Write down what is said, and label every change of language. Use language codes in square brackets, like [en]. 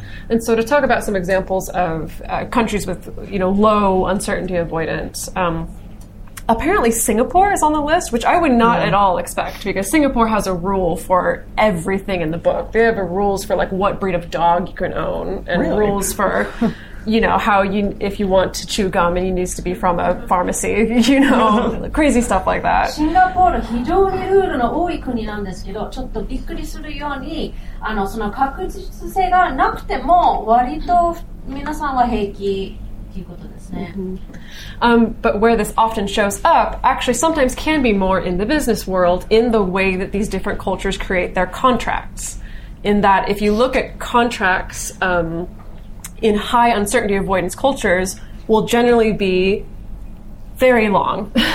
[en] And so to talk about some examples of countries with, you know, low uncertainty avoidance, apparently Singapore is on the list, which I would not at all expect, because Singapore has a rule for everything in the book. They have rules for, like, what breed of dog you can own, and rules for... You know, how you, if you want to chew gum and you need to be from a pharmacy, you know, crazy stuff like that. [ja] Singapore, 非常にルールの多い国なんですけど、ちょっとびっくりするように、その確実性がなくても割と皆さんは平気っていうことですね。 [en] But where this often shows up actually sometimes can be more in the business world, in the way that these different cultures create their contracts. In that, if you look at contracts, in high uncertainty avoidance cultures, will generally be very long.